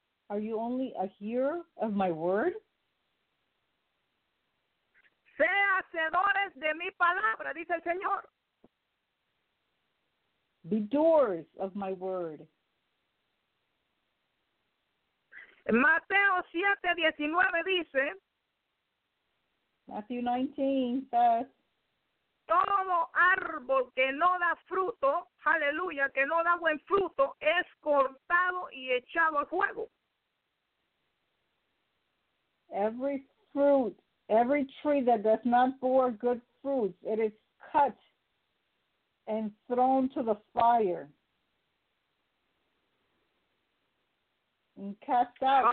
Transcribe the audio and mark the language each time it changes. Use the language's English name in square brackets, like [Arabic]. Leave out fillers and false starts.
[English] Are you only a hearer of my word? [Spanish] Sé hacedores de mi palabra, dice el Señor. [English] Be doers of my word. [Spanish] Mateo 7:19 dice. [English] Matthew 19 says. [Spanish] Todo árbol que no da fruto, aleluya, que no da buen fruto, es cortado y echado al fuego. [English] Every fruit, every tree that does not bear good fruits, it is cut and thrown to the fire and cast out.